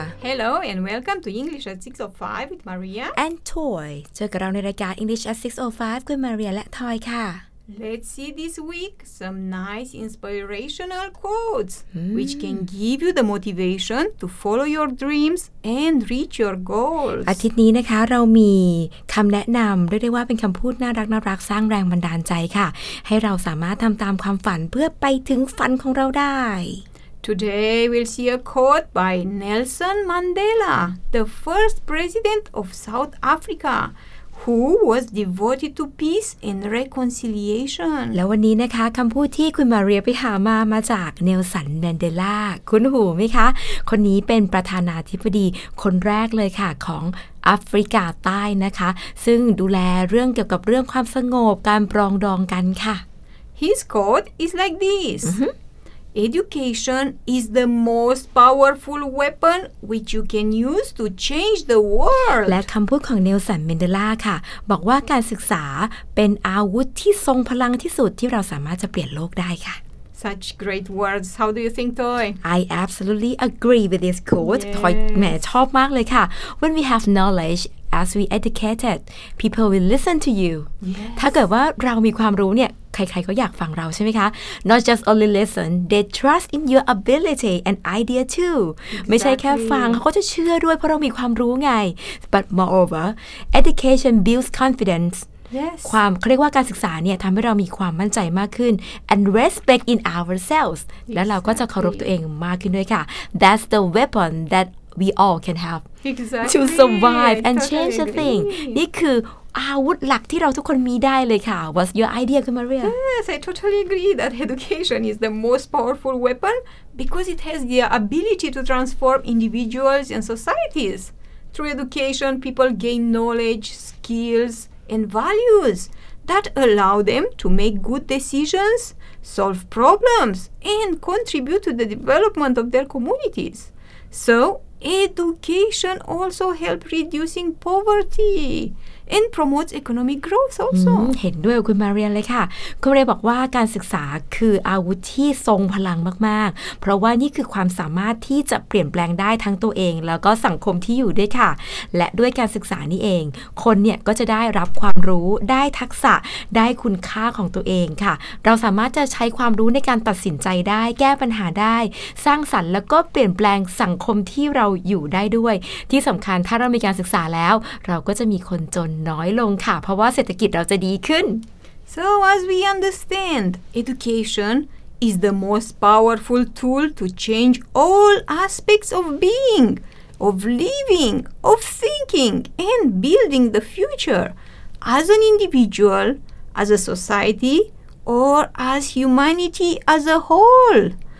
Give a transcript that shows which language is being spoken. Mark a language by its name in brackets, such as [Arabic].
[English] Hello and welcome to English at 6:05 with Maria and Toy. [Thai] เจอกับเราในรายการ English at 6:05 คุณมาเรียและทอยค่ะ [English] Let's see this week some nice inspirational quotes which can give you the motivation to follow your dreams and reach your goals. [Thai] อาทิตย์นี้นะคะเรามีคำแนะนำเรียกว่าเป็นคำพูดน่ารักน่ารักสร้างแรงบันดาลใจค่ะให้เราสามารถทำตามความฝันเพื่อไปถึงฝันของเราได้ [English] Today we'll see a quote by Nelson Mandela, the first president of South Africa, who was devoted to peace and reconciliation. [Thai] แล้ววันนี้นะคะคำพูดที่คุณมาเรียไปหามามาจากเนลสันแมนเดลาคุ้นหูไหมคะคนนี้เป็นประธานาธิบดีคนแรกเลยค่ะของแอฟริกาใต้นะคะซึ่งดูแลเรื่องเกี่ยวกับเรื่องความสงบการปรองดองกันค่ะ [English] His quote is like this. Education is the most powerful weapon which you can use to change the world. [Thai] และคำพูดของเนลสันแมนเดลาค่ะบอกว่าการศึกษาเป็นอาวุธที่ทรงพลังที่สุดที่เราสามารถจะเปลี่ยนโลกได้ค่ะ [English] Such great words. How do you think, Toy? I absolutely agree with this quote. Yes. [Thai] Toy, แม่ชอบมากเลยค่ะ [English] When we have knowledge. As we educated, people will listen to you. Yes. [Thai] ถ้าเกิดว่าเรามีความรู้เนี่ยใครๆก็อยากฟังเราใช่ไหมคะ [English] Not just only listen, they trust in your ability and idea too. Exactly. [Thai] ไม่ใช่แค่ฟังเขาก็จะเชื่อด้วยเพราะเรามีความรู้ไง [English] But moreover, education builds confidence. Yes. [Thai] ความเขาเรียกว่าการศึกษาเนี่ยทำให้เรามีความมั่นใจมากขึ้น [English] and respect in ourselves. Exactly. [Thai] แล้วเราก็จะเคารพตัวเองมากขึ้นด้วยค่ะ [English] That's the weapon that we all can have. Exactly. To survive and change totally a thing. [Thai] นี่คืออาวุธหลักที่เราทุกคนมีได้เลยค่ะ [English] What's your idea, Maria? Yes, I totally agree that education is the most powerful weapon because it has the ability to transform individuals and societies. Through education, people gain knowledge, skills, and values that allow them to make good decisions, solve problems, and contribute to the development of their communities. So,Education also helps reducing poverty and promotes economic growth also. [Thai] เห็นด้วยคุณมาเรียนเลยค่ะคุณมาเรียนบอกว่าการศึกษาคืออาวุธที่ทรงพลังมากๆเพราะว่านี่คือความสามารถที่จะเปลี่ยนแปลงได้ทั้งตัวเองแล้วก็สังคมที่อยู่ด้วยค่ะและด้วยการศึกษานี่เองคนเนี่ยก็จะได้รับความรู้ได้ทักษะได้คุณค่าของตัวเองค่ะเราสามารถจะใช้ความรู้ในการตัดสินใจได้แก้ปัญหาได้ สร้างสรรค์แล้วก็เปลี่ยนแปลงสังคมที่เราอยู่ได้ด้วยที่สำคัญถ้าเรามีการศึกษาแล้วเราก็จะมีคนจนน้อยลงค่ะเพราะว่าเศรษฐกิจเราจะดีขึ้น [English] So as we understand, education is the most powerful tool to change all aspects of being, of living, of thinking, and building the future as an individual, as a society, or as humanity as a whole.